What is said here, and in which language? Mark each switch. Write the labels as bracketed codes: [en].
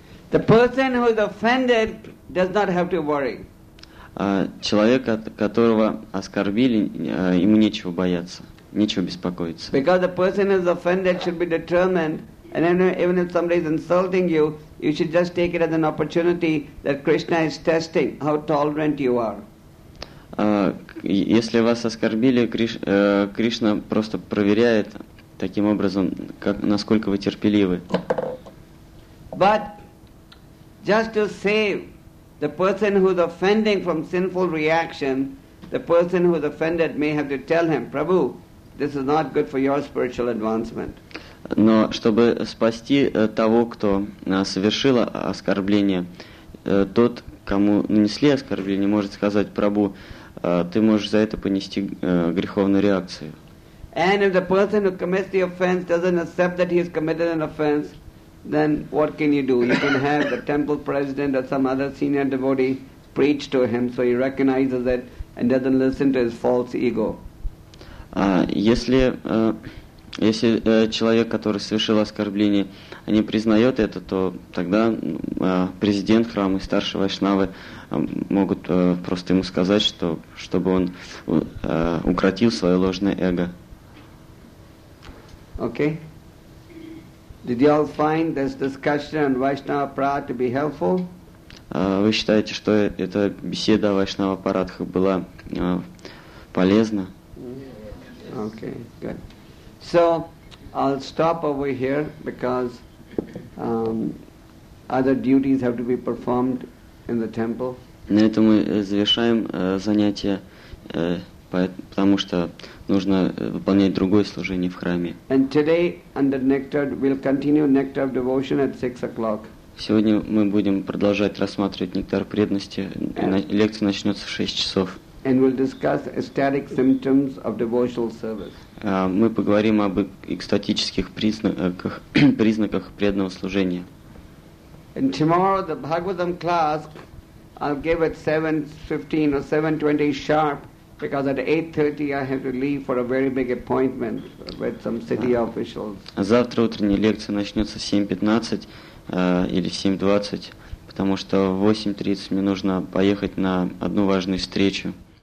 [en] The person who is offended does not have to worry. [ru] Человек, которого оскорбили, ему нечего бояться, нечего беспокоиться. [en] Because the person who is offended should be determined, and even if somebody is insulting you, you should just take it as an opportunity that Krishna is testing how tolerant you are. [ru] Если вас оскорбили, Кришна просто проверяет таким образом, насколько вы терпеливы. [en] But just to save the person who is offending from sinful reaction, the person who is offended may have to tell him, Prabhu, this is not good for your spiritual advancement. [ru] Но чтобы спасти того, кто совершил оскорбление, тот, кому нанесли оскорбление, может сказать, Прабу, ты можешь за это понести греховную реакцию. [en] And if the person who commits the offense doesn't accept that he has committed an offense, then what can you do? You can have the temple president or some other senior devotee preach to him so he recognizes it and doesn't listen to his false ego. [ru] Если человек, который совершил оскорбление, не признает это, то тогда президент храма и старший вайшнавы могут просто ему сказать, чтобы он укротил свое ложное эго. [en] Okay. Did you all find this discussion on Vaishnava Prat to be helpful? [ru] вы считаете, что эта беседа о Вайшнава Парадхе была полезна? [en] Okay, good. So, I'll stop over here because other duties have to be performed in the temple. [ru] На этом мы завершаем занятие, потому что нужно выполнять другое служение в храме. [en] And today, under nectar, we'll continue nectar of devotion at 6 o'clock. [ru] Сегодня мы будем продолжать рассматривать нектар преданности. Лекция начнется в 6 часов. [en] And we'll discuss ecstatic symptoms of devotional service. [ru] Мы поговорим об экстатических признаках, признаках преданного служения. [en] And tomorrow the Bhagavatam class I'll give at 7:15 or 7:20 sharp, because at 8:30 I have to leave for a very big appointment with some city officials. [ru] Завтра утренняя лекция начнется в 7:15 или в 7:20, потому что в 8:30 мне нужно поехать на одну важную встречу.